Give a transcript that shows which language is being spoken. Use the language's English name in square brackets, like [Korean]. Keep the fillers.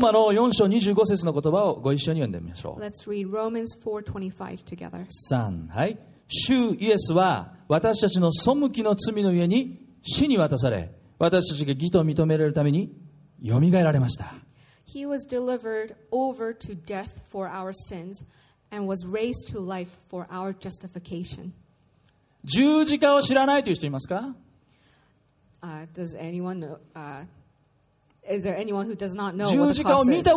[Japanese] マの4章25節の言葉をご一緒に読んでみましょう。 [English] Let's read Romans 4:25 together.3 [Japanese] はい。主イエスは私たちの背きの罪の上に死に渡され、私たちが義と認められるためによみがえられました。 [English] He was delivered over to death for our sins and was raised to life for our justification. [Japanese] 十字架を知らないという人いますか [English] Uh, does anyone, uh, [Japanese] 十字架を見た